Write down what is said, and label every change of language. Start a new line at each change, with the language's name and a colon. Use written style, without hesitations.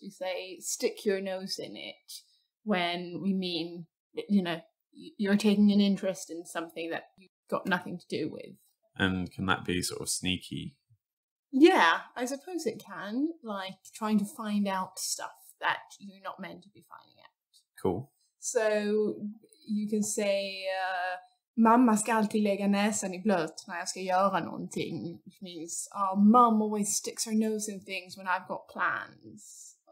English: We say, stick your nose in it, when we mean, you know, you're taking an interest in something that you've got nothing to do with. And can that be sort of sneaky? Yeah, I suppose it can, like trying to find out stuff that you're not meant to be finding out. Cool. So you can say,
Swedish: mamma ska alltid lägga näsan i blöt när jag ska göra någonting.
English: Which means, oh, mum always sticks her nose in things when I've got plans.